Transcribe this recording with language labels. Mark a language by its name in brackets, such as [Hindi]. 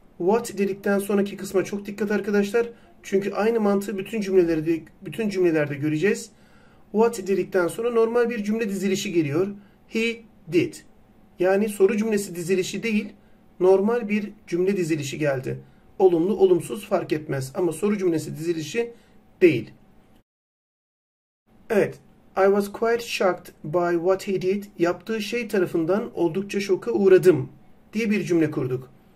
[Turkish] What dedikten sonraki kısma çok dikkat arkadaşlar. Çünkü aynı mantığı bütün cümlelerde göreceğiz. What dedikten sonra normal bir cümle dizilişi geliyor. [English] He did. [Turkish] Yani soru cümlesi dizilişi değil, normal bir cümle dizilişi geldi. Olumlu, olumsuz fark etmez ama soru cümlesi dizilişi değil. Evet, [English] I was quite shocked by what he did. [Turkish] Yaptığı şey tarafından oldukça şoka uğradım diye bir cümle kurduk.